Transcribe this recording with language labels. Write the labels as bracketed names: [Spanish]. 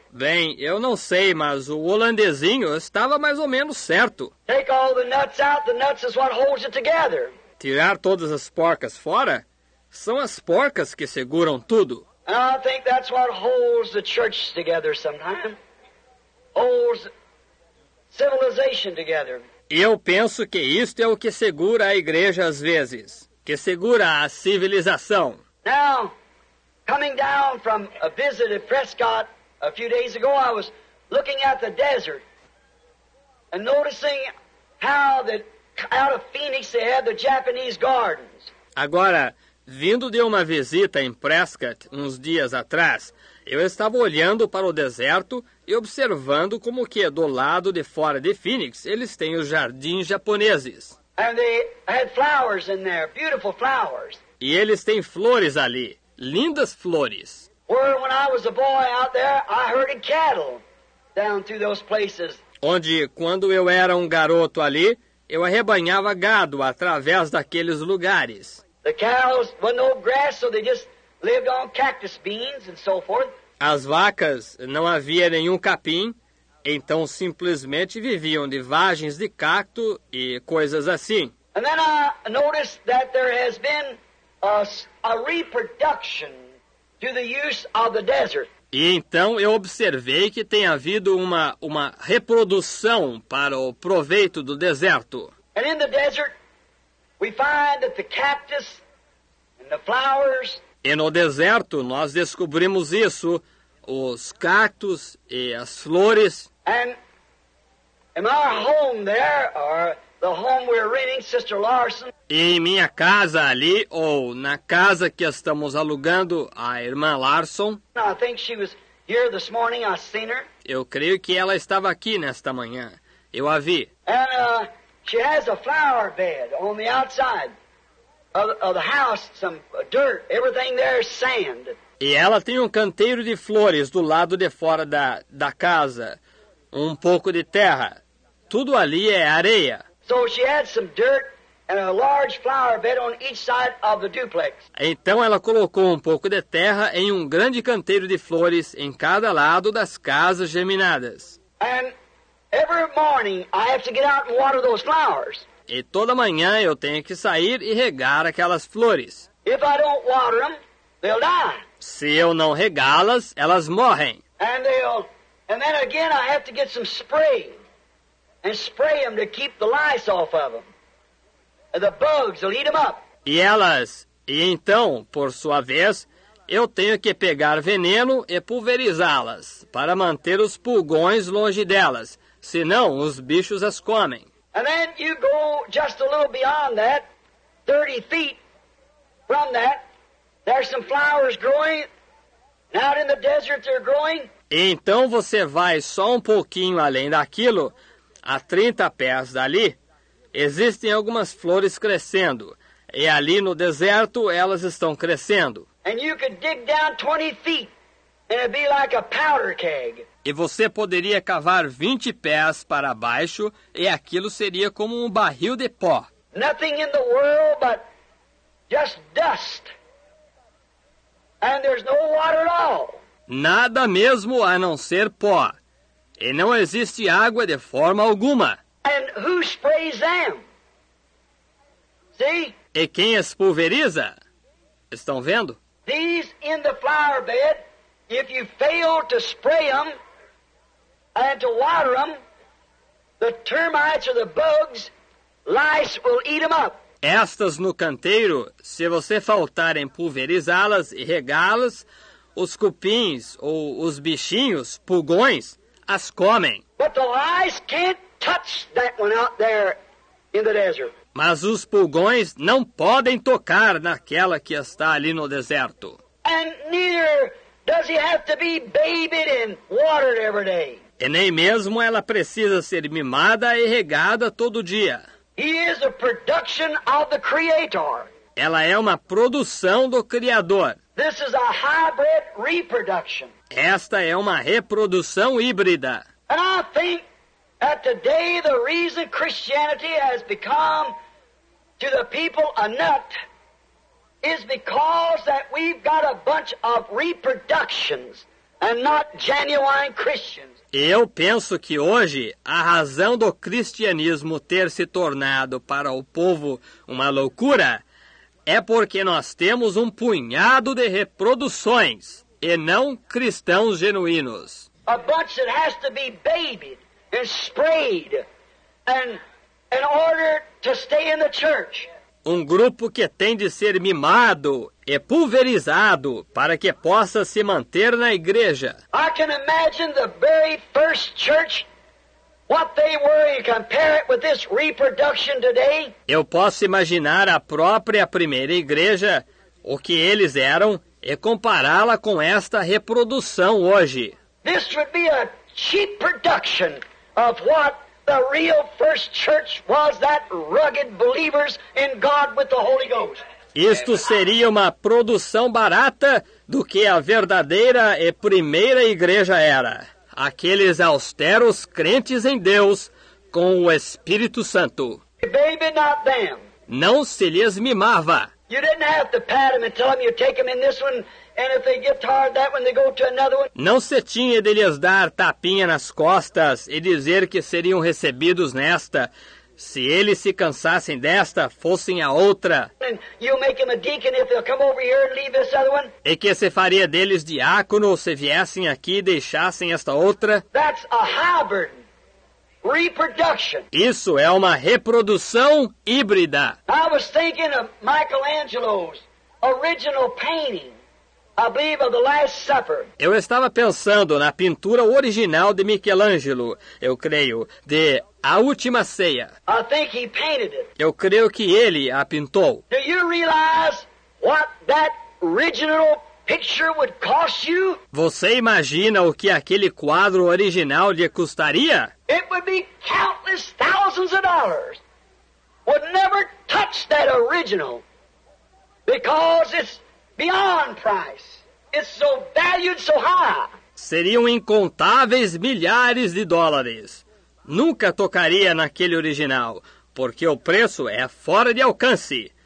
[Portuguese] Bem, eu não sei, mas o holandesinho estava mais ou menos certo. [English] Take all the nuts out, the nuts is what holds it together. [Portuguese] Tirar todas as porcas fora, são as porcas que seguram tudo. [English] And I think that's what holds the church together sometimes. Holds civilization together. [Portuguese] E eu penso que isto é o que segura a igreja às vezes, que segura a civilização. [English] Now, coming down from a visit at Prescott a few days ago, I was looking at the desert and noticing how that out of Phoenix they had the Japanese gardens. [Portuguese] Agora, vindo de uma visita em Prescott uns dias atrás, eu estava olhando para o deserto e observando como que do lado de fora de Phoenix eles têm os jardins japoneses. [English] And they had flowers in there, beautiful flowers. [Portuguese] E eles têm flores ali, lindas flores. [English] Where when I was a boy out there, I herded cattle down through those places. [Portuguese] Onde quando eu era um garoto ali, eu arrebanhava gado através daqueles lugares. [English] The cows were no grass, so they just lived on cactus beans and so forth. [Portuguese] As vacas não havia nenhum capim, então simplesmente viviam de vagens de cacto e coisas assim. [English] And then I noticed that there has been a reproduction to the use of the desert. [Portuguese] E então eu observei que tem havido uma reprodução para o proveito do deserto. [English] And in the desert, we find that the cactus and the flowers. [Portuguese] E no deserto nós descobrimos isso, os cactos e as flores. [English] And in our home there, or the home we're renting, Sister Larson. [Portuguese] E em minha casa ali, ou na casa que estamos alugando, a irmã Larson. [English] I think she was here this morning. I seen her. [Portuguese] Eu creio que ela estava aqui nesta manhã. Eu a vi. [English] And she has a flower bed on the outside of the house, some dirt, everything there is sand. [Portuguese] E ela tem um canteiro de flores do lado de fora da casa, um pouco de terra. Tudo ali é areia. [English] So she had some dirt and a large flower bed on each side of the duplex. [Portuguese] Então ela colocou um pouco de terra em um grande canteiro de flores em cada lado das casas geminadas. [English] And every morning I have to get out and water those flowers. [Portuguese] E toda manhã eu tenho que sair e regar aquelas flores. [English] If I don't water them, they'll die. [Portuguese] Se eu não regá-las, elas morrem. [English] And then again I have to get some spray and spray them to keep the lice off of them. The bugs will eat them up. [Portuguese] E então, por sua vez, eu tenho que pegar veneno e pulverizá-las para manter os pulgões longe delas, senão os bichos as comem. [English] And then you go just a little beyond that, 30 feet from that, there's some flowers growing. Out in the desert they're growing. [Portuguese] E então você vai só um pouquinho além daquilo, a 30 pés dali, existem algumas flores crescendo, e ali no deserto elas estão crescendo. [English] And you could dig down 20 feet and it'd be like a powder keg. [Portuguese] E você poderia cavar 20 pés para baixo e aquilo seria como um barril de pó. [English] Nothing in the world but just dust. And there's no water at all. [Portuguese] Nada mesmo a não ser pó. E não existe água de forma alguma. [English] And who sprays them? See? [Portuguese] E quem as pulveriza? Estão vendo? [English] These in the flower bed, if you fail to spray them and to water them, the termites or the bugs, lice will eat them up. [Portuguese] Estas no canteiro, se você faltar em pulverizá-las e regá-las, os cupins ou os bichinhos, pulgões, as comem. [English] But the lice can't touch that one out there in the desert. [Portuguese] Mas os pulgões não podem tocar naquela que está ali no deserto. [English] And neither does he have to be babied and watered every day. [Portuguese] E nem mesmo ela precisa ser mimada e regada todo dia. [English] He is a production of the Creator. [Portuguese] Ela é uma produção do Criador. [English] This is a hybrid reproduction. [Portuguese] Esta é uma reprodução híbrida. [English] And I think that today the reason Christianity has become to the people a nut is because that we've got a bunch of reproductions and not genuine Christians. [Portuguese] Eu penso que hoje a razão do cristianismo ter se tornado para o povo uma loucura é porque nós temos um punhado de reproduções e não cristãos genuínos. [English] A bunch that has to be babied and sprayed and in order to stay in the church. [Portuguese] Um grupo que tem de ser mimado e pulverizado para que possa se manter na igreja. [English] I can imagine the very first church, what they were, you compare it with this reproduction today. [Portuguese] Eu posso imaginar a própria primeira igreja, o que eles eram, e compará-la com esta reprodução hoje. [English] This would be a cheap production of what the real first church was, that rugged believers in God with the Holy Ghost. [Portuguese] Isto seria uma produção barata do que a verdadeira e primeira igreja era. Aqueles austeros crentes em Deus com o Espírito Santo. [English] Baby, not them. [Portuguese] Não se lhes mimava. [English] You didn't have to pat them and tell them you take them in this one. And if they get tired, that when they go to another one. [Portuguese] Não se tinha de lhes dar tapinha nas costas e dizer que seriam recebidos nesta. Se eles se cansassem desta, fossem a outra. [English] And you make them a deacon if they'll come over here and leave this other one. [Portuguese] E que se faria deles diácono se viessem aqui e deixassem esta outra. [English] That's a hybrid reproduction. [Portuguese] Isso é uma reprodução híbrida. [English] I was thinking of Michelangelo's original painting. I believe of the Last Supper. [Portuguese] Eu estava pensando na pintura original de Michelangelo, eu creio, de A Última Ceia. [English] I think he painted it. [Portuguese] Eu creio que ele a pintou. [English] Do you realize what that original picture would cost you? [Portuguese] Você imagina o que aquele quadro original lhe custaria? [English] It would be countless thousands of dollars. Would never touch that original because it's beyond price. It's so valued so high. [Portuguese] Seriam incontáveis milhares de dólares. Nunca tocaria naquele original, porque o preço é fora de alcance.